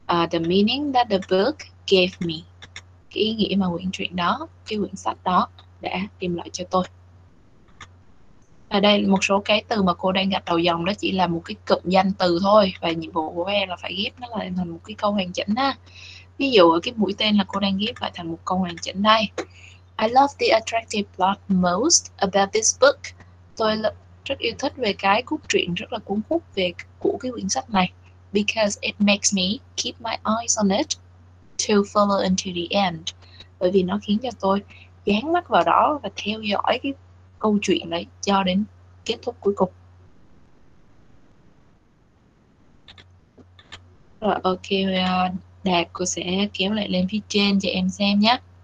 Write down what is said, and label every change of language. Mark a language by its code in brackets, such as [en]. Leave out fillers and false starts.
[en] The meaning that the book gave me. [vi] Cái ý nghĩa mà quyển truyện đó, cái quyển sách đó đã đem lại cho tôi. Ở đây một số cái từ mà cô đang gạch đầu dòng đó chỉ là một cái cụm danh từ thôi, và nhiệm vụ của em là phải ghép nó lại thành một cái câu hoàn chỉnh ha. Ví dụ ở cái mũi tên là cô đang ghép lại thành một câu hoàn chỉnh đây. [en] I love the attractive plot most about this book. [vi] Tôi rất yêu thích về cái cốt truyện rất là cuốn hút về của cái quyển sách này. [en] Because it makes me keep my eyes on it to follow until the end. [vi] Bởi vì nó khiến cho tôi dán mắt vào đó và theo dõi cái câu chuyện đấy cho đến kết thúc cuối cùng. Rồi ok, Đạt cô sẽ kéo lại lên phía trên cho em xem nhé.